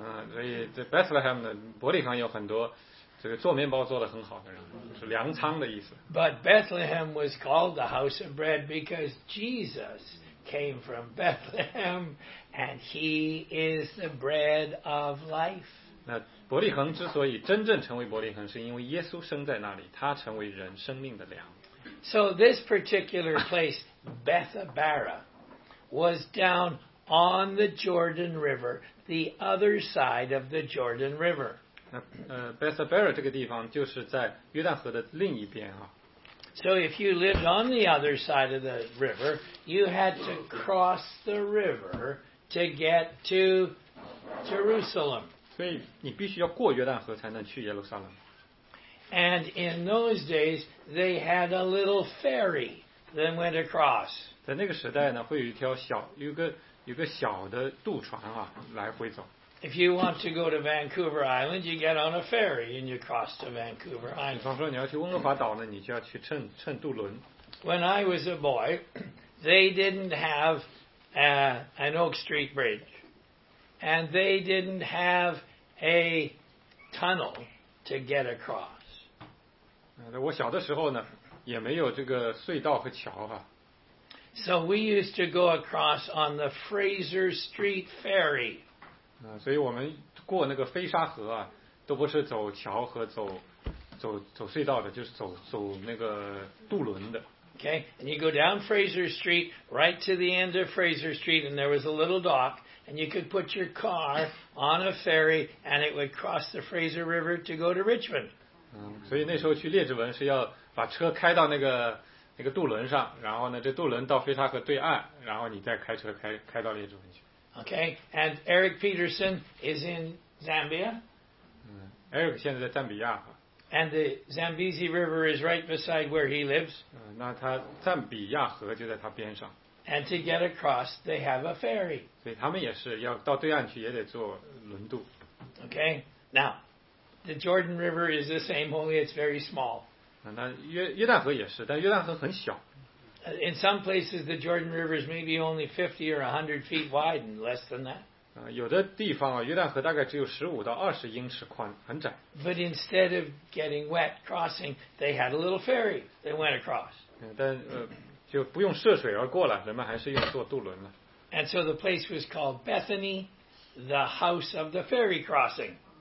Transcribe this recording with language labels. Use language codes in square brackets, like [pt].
[zh] 所以这 Bethlehem 呢，伯利恒有很多这个做面包做得很好的人，是粮仓的意思。 [en] But Bethlehem was called the house of bread because Jesus came from Bethlehem, and he is the bread of life. [zh] 那伯利恒之所以真正成为伯利恒，是因为耶稣生在那里，他成为人生命的粮。 [en] So this particular place, Bethabara, was down on the Jordan River, the other side of the Jordan River. [zh] Bethabara 这个地方就是在约旦河的另一边啊。 [en] So if you lived on the other side of the river, you had to cross the river to get to Jerusalem. [zh] 所以你必须要过约旦河才能去耶路撒冷。 [en] And in those days, they had a little ferry that went across. [zh] 在那个时代呢，会有一条小，有个有个小的渡船啊来回走。 [en] If you want to go to Vancouver Island, you get on a ferry and you cross to Vancouver Island. [zh] 比方说你要去温哥华岛呢，你就要去乘渡轮。 [en] When I was a boy, they didn't have an Oak Street Bridge, and they didn't have a tunnel to get across. [zh] 我小的时候呢，也没有这个隧道和桥啊。 [en] So we used to go across on the Fraser Street Ferry. [zh] 所以我们过那个飞沙河啊，都不是走桥和走隧道的，就是走那个渡轮的。 [en] Okay, and you go down Fraser Street, right to the end of Fraser Street, and there was a little dock, and you could put your car on a ferry, and it would cross the Fraser River to go to Richmond. [zh] 所以那时候去列治文是要把车开到那个渡轮上，然后呢，这渡轮到飞沙河对岸，然后你再开车开到列治文去。 [en] Okay, and Eric Peterson is in Zambia. [zh] Eric 现在在赞比亚。 [en] And the Zambezi River is right beside where he lives. [zh] 那他赞比亚河就在他边上。 [en] And to get across, they have a ferry. [zh] 所以他们也是要到对岸去，也得坐轮渡。 [en] Okay. Now, the Jordan River is the same, only it's very small. [zh] 那约旦河也是，但约旦河很小。 [en] In some places, the Jordan River is maybe only 50 or 100 feet wide, and less than that. [zh] 有的地方啊，约旦河大概只有15到20英尺宽，很窄。 [en] But instead of getting wet crossing, they had a little ferry that went across. [zh] 但就不用涉水而过了，人们还是用坐渡轮了。 [en] And so the place was called Bethany, the house of the ferry crossing.